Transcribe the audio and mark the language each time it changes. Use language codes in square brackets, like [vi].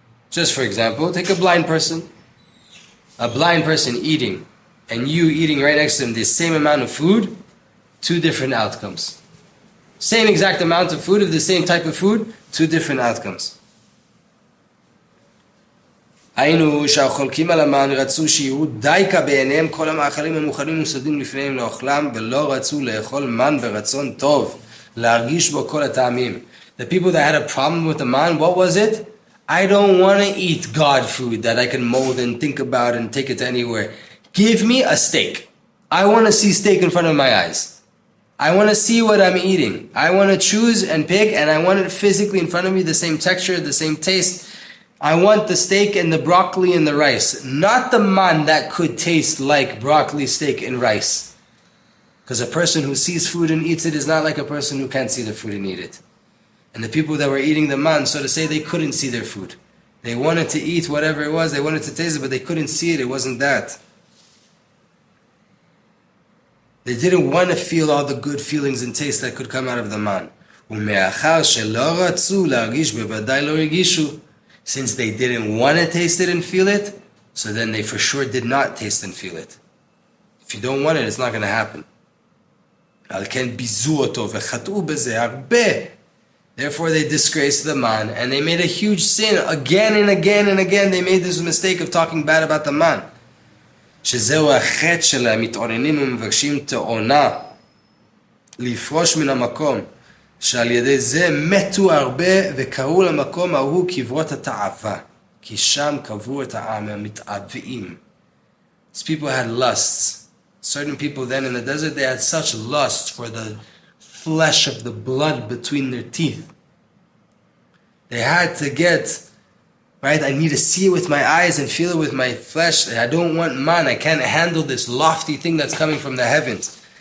[en] Just for example, take a blind person. A blind person eating, and you eating right next to him the same amount of food, two different outcomes. Same exact amount of food, of the same type of food, two different outcomes. [he] היינו שהחולקים על המן רצו שיהיו דייקה בעיניהם כל המאכלים המוכנים ומסודים לפניהם לאוכלם ולא רצו לאכול מן ברצון טוב להרגיש בו כל הטעמים. [en] The people that had a problem with the man, what was it? I don't want to eat God food that I can mold and think about and take it anywhere. Give me a steak. I want to see steak in front of my eyes. I want to see what I'm eating. I want to choose and pick and I want it physically in front of me, the same texture, the same taste. I want the steak and the broccoli and the rice. Not the man that could taste like broccoli, steak, and rice. Because a person who sees food and eats it is not like a person who can't see the food and eat it. And the people that were eating the man, so to say, they couldn't see their food. They wanted to eat whatever it was, they wanted to taste it, but they couldn't see it, it wasn't that. They didn't want to feel all the good feelings and taste that could come out of the man. [he] ומאחר שלא רצו להרגיש בוודאי לא הרגישו. [en] Since they didn't want to taste it and feel it, so then they for sure did not taste and feel it. If you don't want it, it's not going to happen. [he] Al ken bizu oto v'chatu b'ze harbe. [en] Therefore they disgraced the man, and they made a huge sin again and again and again. They made this mistake of talking bad about the man. [he] Shezeu ha-chet shelem mit'oninim u'mevakshim te'ona lifrosh min ha-makom. שעל ידי זה מתו הרבה וקראו למקום ההוא קברות התאווה, כי שם קברו את העם המתאבים. [en] These people had lusts. Certain people then in the desert, they had such lust for the flesh of the blood between their teeth. They had to get, right, I need to see it with my eyes and feel it with my flesh. I don't want man, I can't handle this lofty thing that's coming from the heavens.